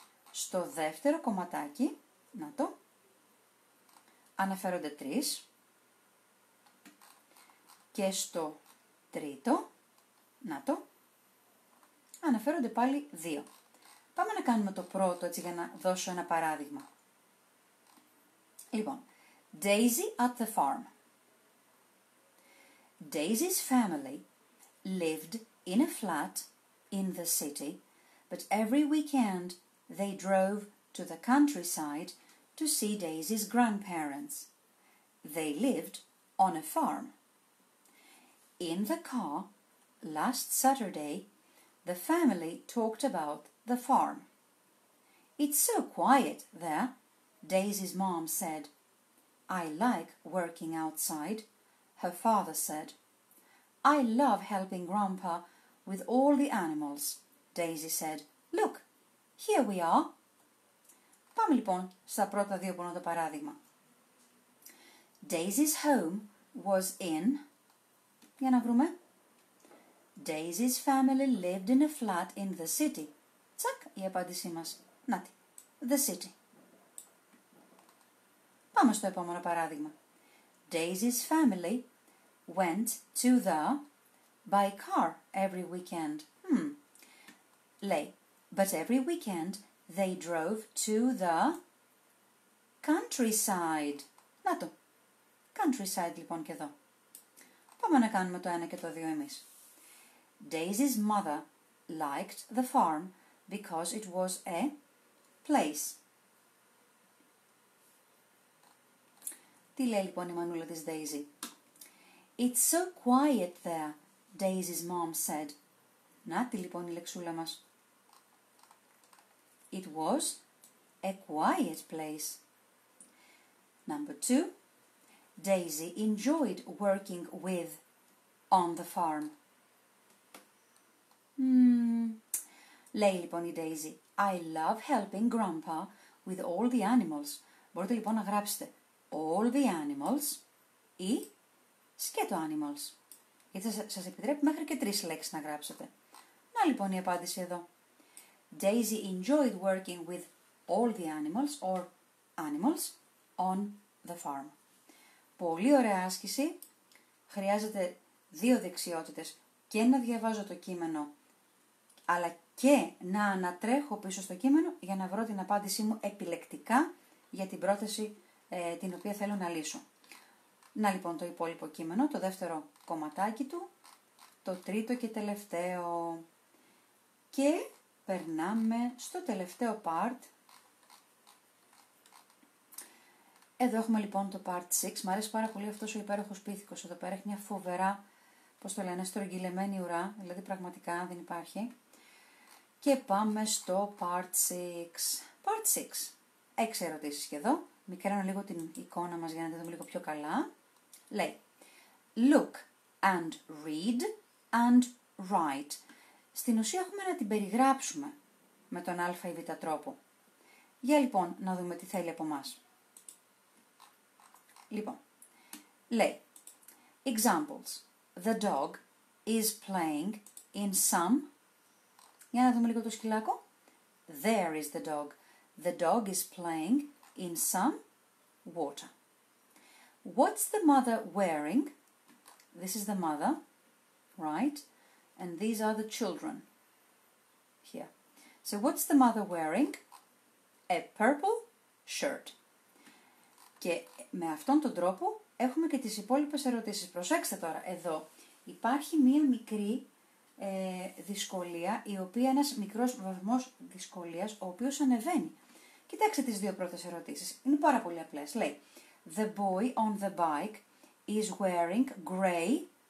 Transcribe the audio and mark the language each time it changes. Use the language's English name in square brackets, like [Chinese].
[Greek] Στο δεύτερο κομματάκι, να το, αναφέρονται τρεις. Και στο τρίτο, να το, αναφέρονται πάλι δύο. Πάμε να κάνουμε το πρώτο, έτσι για να δώσω ένα παράδειγμα. [English] Λοιπόν, Daisy at the farm. Daisy's family lived in a flat in the city, but every weekend they drove to the countryside to see Daisy's grandparents. They lived on a farm. In the car, last Saturday, the family talked about the farm. It's so quiet there, Daisy's mom said. I like working outside, her father said. I love helping Grandpa with all the animals, Daisy said. Look, here we are. [Greek] Πάμε λοιπόν στα πρώτα δύο πόνο το παράδειγμα. [English] Daisy's home was in... [Greek] Για να βρούμε. [English] Daisy's family lived in a flat in the city. [Greek] Τσακ, η απάντησή μας. Να τη. [English] The city. [Greek] Πάμε στο επόμενο παράδειγμα. [English] Daisy's family went to the... by car every weekend. Λέει, but every weekend they drove to the countryside. [Greek] Να το. Countryside λοιπόν και εδώ. Πάμε να κάνουμε το ένα και το δύο εμείς. [English] Daisy's mother liked the farm because it was a place. [Greek] Τι λέει λοιπόν η μανούλα της Daisy. [English] It's so quiet there, Daisy's mom said. [Greek] Να τη λοιπόν η λεξούλα μας. [English] It was a quiet place. Number two, Daisy enjoyed working with on the farm. [Greek] Λέει λοιπόν η Daisy, [English] I love helping Grandpa with all the animals. [Greek] Μπορείτε λοιπόν να γράψετε [English] all the animals [Greek] ή σκέτο animals. Γιατί σας επιτρέπει μέχρι και τρεις λέξεις να γράψετε. Να λοιπόν η απάντηση εδώ. [English] Daisy enjoyed working with all the animals or animals on the farm. [Greek] Πολύ ωραία άσκηση. Χρειάζεται δύο δεξιότητες και να διαβάζω το κείμενο αλλά και να ανατρέχω πίσω στο κείμενο για να βρω την απάντησή μου επιλεκτικά για την πρόθεση την οποία θέλω να λύσω. Να λοιπόν το υπόλοιπο κείμενο, το δεύτερο κομματάκι του, το τρίτο και τελευταίο και... Περνάμε στο τελευταίο part. Εδώ έχουμε λοιπόν το part 6. Μ' αρέσει πάρα πολύ αυτός ο υπέροχος πίθηκος. Εδώ πέρα έχει μια φοβερά, πώς το λένε, στρογγυλεμένη ουρά. Δηλαδή πραγματικά δεν υπάρχει. Και πάμε στο part 6. Part 6. Έξι ερωτήσεις και εδώ. Μικραίνω λίγο την εικόνα μας για να τα δούμε λίγο πιο καλά. [English] Λέει, look and read and write. [Greek] Στην ουσία έχουμε να την περιγράψουμε με τον α ή β τρόπο. Για λοιπόν να δούμε τι θέλει από μας. Λοιπόν, λέει, [English] examples, the dog is playing in some, [Greek] για να δούμε λίγο το σκυλάκο, [English] there is the dog is playing in some water. What's the mother wearing? This is the mother, right? And these are the children here. So what's the mother wearing? A purple shirt. [Greek] Και με αυτόν τον τρόπο έχουμε και τις υπόλοιπες ερωτήσεις. Προσέξτε τώρα, εδώ υπάρχει μία μικρή δυσκολία, η οποία ένας μικρός βαθμός δυσκολίας, ο οποίος ανεβαίνει. Κοιτάξτε τις δύο πρώτες ερωτήσεις. Είναι πάρα πολύ απλές. [English] Λέει, the boy on the bike is wearing grey...